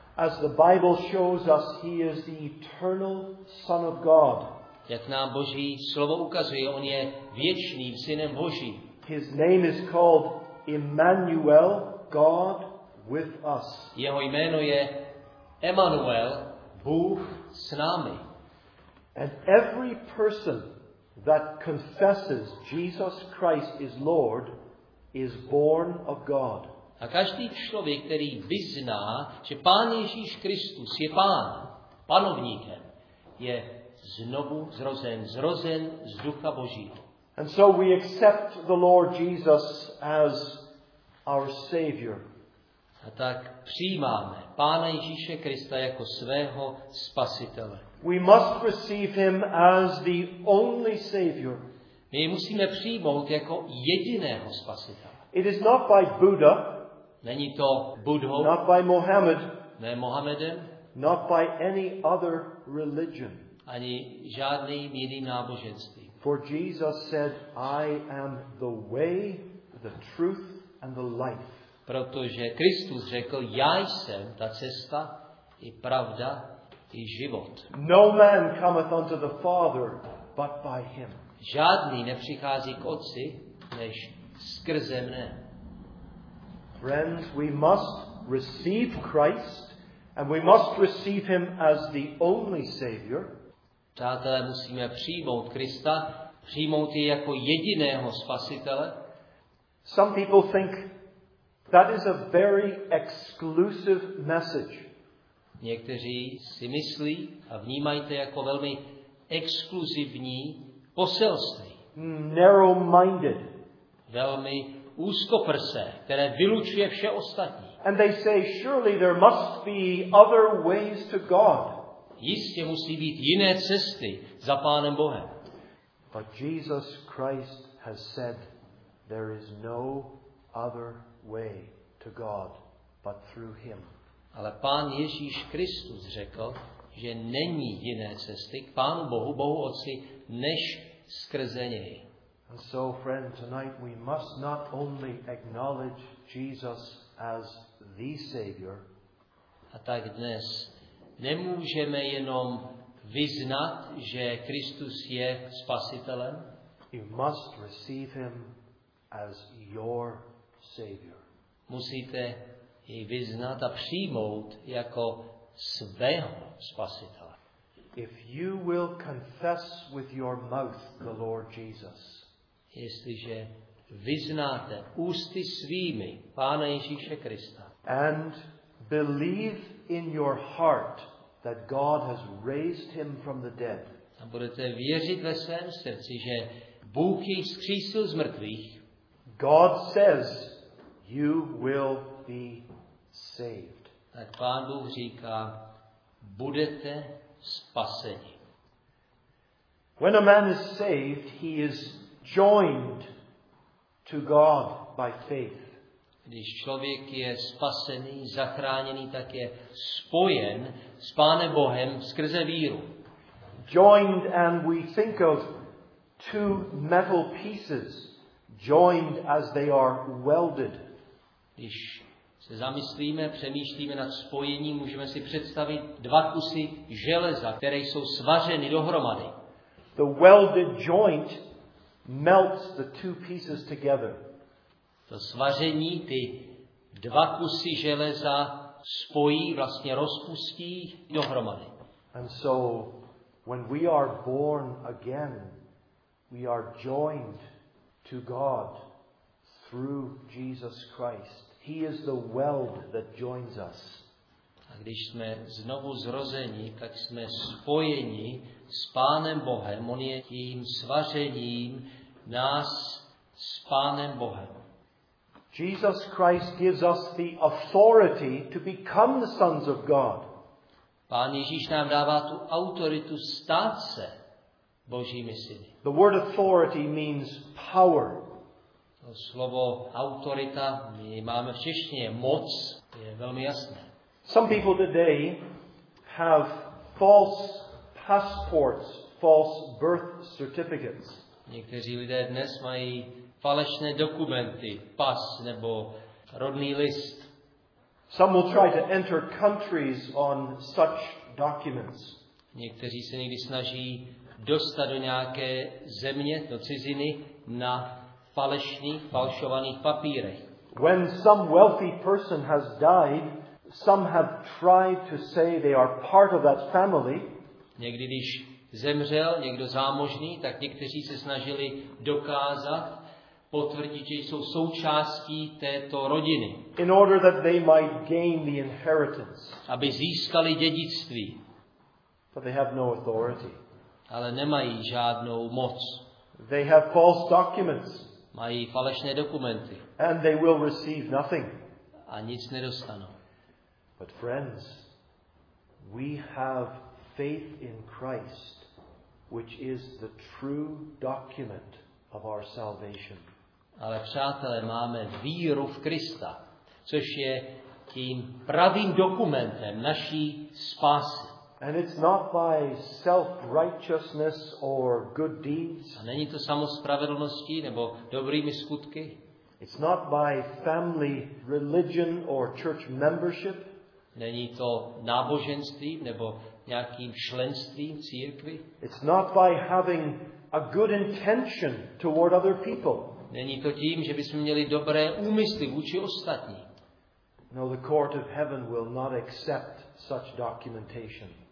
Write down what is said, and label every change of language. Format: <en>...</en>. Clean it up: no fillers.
<en>As the Bible shows us, he is the eternal Son of God.</en> <cs>Jak nám Boží slovo ukazuje, on je věčným synem Božím.</cs> <en>His name is called Emmanuel, God with us.</en> <cs>Jeho jméno je Emmanuel, Bůh s námi.</cs> <en>And every person that confesses Jesus Christ is Lord is born of God.</en> <cs>A každý člověk, který vyzná, že Pán Ježíš Kristus je Pán, panovníkem, je znovu zrozen, zrozen z Ducha Božího.</cs> <en>And so we accept the Lord Jesus as our Savior.</en> <cs>A tak přijímáme Pána Ježíše Krista jako svého spasitele.</cs> <en>We must receive him as the only Savior.</en> <cs>My musíme přijmout jako jediného spasitele.</cs> <en>It is not by Buddha.</en> <cs>Není to Buddhou.</cs> <en>Not by Mohammed.</en> <cs>Ne Mohammedem.</cs> <en>Not by any other religion.</en> <cs>Ani žádným jiným náboženstvím.</cs> <en>For Jesus said, I am the way, the truth and the life.</en> <cs>Protože Kristus řekl, já jsem ta cesta i pravda i život.</cs> <en>No man cometh unto the Father but by him.</en> <cs>Žádný nepřichází k Otci než skrze mne.</cs> <en>Friends, we must receive Christ and we must receive him as the only Savior.</en> <cs>Přátelé, musíme přijmout Krista, přijmout jej jako jediného spasitele.</cs> <en>Some people think that is a very exclusive message.</en> <cs>Někteří si myslí a vnímají to jako velmi exkluzivní poselství.</cs> <en>Narrow-minded.</en> <cs>Velmi úzkoprsé, které vylučuje vše ostatní.</cs> <en>And they say surely there must be other ways to God.</en> <cs>Jistě musí být jiné cesty za Pánem Bohem.</cs> <en>But Jesus Christ has said there is no other way to God but through him.</en> <cs>Ale Pán Ježíš Kristus řekl, že není jiné cesty k Pánu Bohu, Bohu Otci, než skrze něj.</cs> <en>And so friend, tonight we must not only acknowledge Jesus as the Savior.</en> <cs>A tak dnes nemůžeme jenom vyznat, že Kristus je spasitelem.</cs> <en>You must receive him as your Savior.</en> <cs>Musíte jej vyznat a přijmout jako svého spasitele.</cs> <en>If you will confess with your mouth the Lord Jesus.</en> <cs>Jestliže vyznáte ústy svými Pána Ježíše Krista.</cs> <en>And believe in your heart that God has raised him from the dead.</en> <cs>A budete věřit ve svém srdci, že Bůh jej vzkřísil z mrtvých.</cs> <en>God says you will be saved.</en> <cs>Tak Pán Bůh říká, budete spaseni.</cs> <en>When a man is saved, he is joined to God by faith.</en> <cs>Když člověk je spasený, zachráněný, tak je spojen s Pánem Bohem skrze víru.</cs> <en>Joined, and we think of two metal pieces joined as they are welded.</en> <cs>Když se zamyslíme, přemýšlíme nad spojením, můžeme si představit dva kusy železa, které jsou svařeny dohromady.</cs> <en>The welded joint melts the two pieces together.</en> <cs>To svaření, ty dva kusy železa spojí, vlastně rozpustí dohromady.</cs> <en>And so when we are born again, we are joined to God through Jesus Christ. He is the weld that joins us.</en> <cs>A když jsme znovu zrozeni, tak jsme spojeni s Pánem Bohem. On je tím svařením nás s Pánem Bohem.</cs> <en>Jesus Christ gives us the authority to become the sons of God.</en> <cs>Pán Ježíš nám dává tu autoritu stát se Božími syny.</cs> <en>The word authority means power.</en> <cs>To slovo autorita, my máme v češtině moc, je velmi jasné.</cs> <en>Some people today have false passports, false birth certificates.</en> <cs>Někteří lidé dnes mají falešné dokumenty, pas nebo rodný list.</cs> <en>Some will try to enter countries on such documents.</en> <cs>Někteří se někdy snaží dostat do nějaké země, do ciziny, na falešných, falšovaných papírech.</cs> <en>When some wealthy person has died, some have tried to say they are part of that family.</en> <cs>Někdy, když zemřel někdo zámožný, tak někteří se snažili dokázat, potvrdit, že jsou součástí této rodiny.</cs> <en>In order that they might gain the inheritance.</en> <cs>Aby získali dědictví.</cs> <en>But they have no authority.</en> <cs>Ale nemají žádnou moc.</cs> <en>They have false documents.</en> <cs>Mají falešné dokumenty.</cs> <en>And they will receive nothing.</en> <cs>A nic nedostanou.</cs> <en>But friends, we have faith in Christ, which is the true document of our salvation.</en> <cs>Ale přátelé, máme víru v Krista, což je tím pravým dokumentem naší spásy.</cs> <en>And it's not by self-righteousness or good deeds.</en> <cs>A není to samospravedlností nebo dobrými skutky.</cs> <en>It's not by family religion or church membership.</en> <cs>Není to náboženstvím nebo nějakým členstvím církvi.</cs> <en>It's not by having a good intention toward other people.</en> <cs>Není to tím, že bychom měli dobré úmysly vůči ostatním.</cs> <en>No, the court of heaven will not accept such documentation.</en>